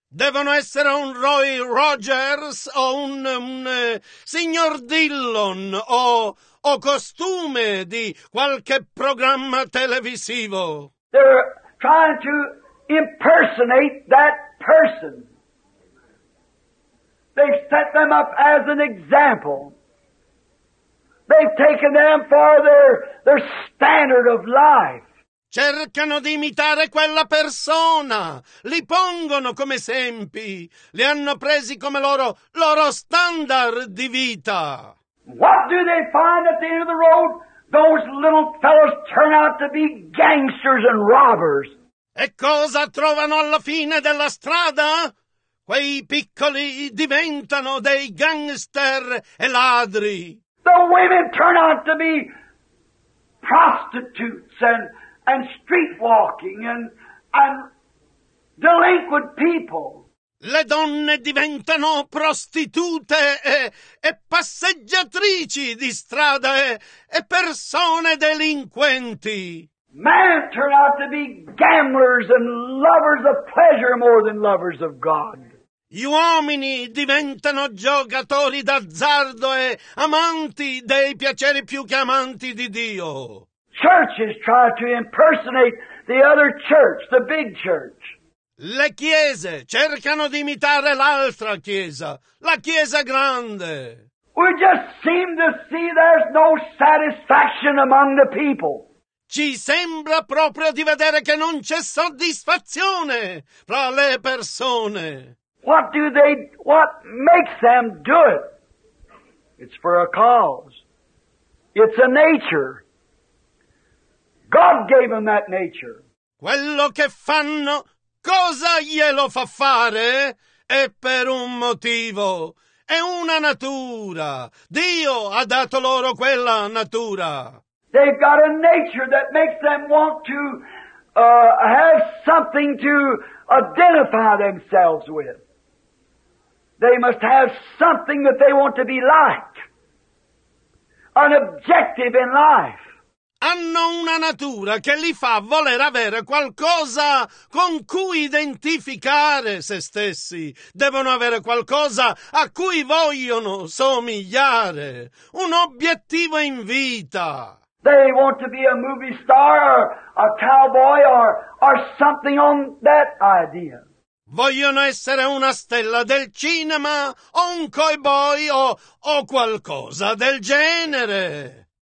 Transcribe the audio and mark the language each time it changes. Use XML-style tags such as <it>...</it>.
<it>Devono essere un Roy Rogers o un signor Dillon o costume di qualche programma televisivo.</it> <en>They're trying to impersonate that person. They've set them up as an example. They've taken them for their standard of life.</en> <it>Cercano di imitare quella persona, li pongono come esempi, li hanno presi come loro standard di vita.</it> <en>What do they find at the end of the road? Those little fellows turn out to be gangsters and robbers.</en> <it>E cosa trovano alla fine della strada? Quei piccoli diventano dei gangster e ladri.</it> <en>The women turn out to be prostitutes and street walking and delinquent people.</en> <it>Le donne diventano prostitute e passeggiatrici di strada e persone delinquenti.</it> <en>Men turn out to be gamblers and lovers of pleasure more than lovers of God.</en> <it>Gli uomini diventano giocatori d'azzardo e amanti dei piaceri più che amanti di Dio.</it> <en>Churches try to impersonate the other church, the big church.</en> <it>Le chiese cercano di imitare l'altra chiesa, la chiesa grande.</it> <en>We just seem to see there's no satisfaction among the people.</en> <it>Ci sembra proprio di vedere che non c'è soddisfazione fra le persone.</it> <en>What makes them do it? It's for a cause. It's a nature. God gave them that nature.</en> <it>Quello che fanno, cosa glielo fa fare? È per un motivo. È una natura. Dio ha dato loro quella natura.</it> <en>They've got a nature that makes them want to have something to identify themselves with. They must have something that they want to be like, an objective in life.</en> <it>Hanno una natura che li fa voler avere qualcosa con cui identificare se stessi. Devono avere qualcosa a cui vogliono somigliare, un obiettivo in vita.</it> <en>They want to be a movie star or a cowboy or something on that idea.</en> <it>Vogliono essere una stella del cinema o un cowboy o qualcosa del genere.</it>